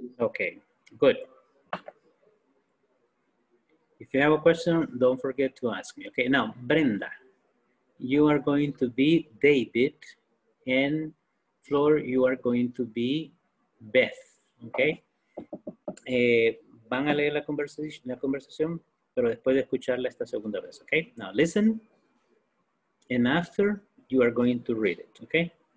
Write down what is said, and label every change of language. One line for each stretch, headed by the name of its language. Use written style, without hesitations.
English: Okay, good. If you have a question, don't forget to ask me. Okay, now, Brenda, you are going to be David, and Flor, you are going to be Beth, okay?
Spanish: Van a leer la conversación, pero después de escucharla esta segunda vez, okay?
English: Now, listen, and after, you are going to read it, okay?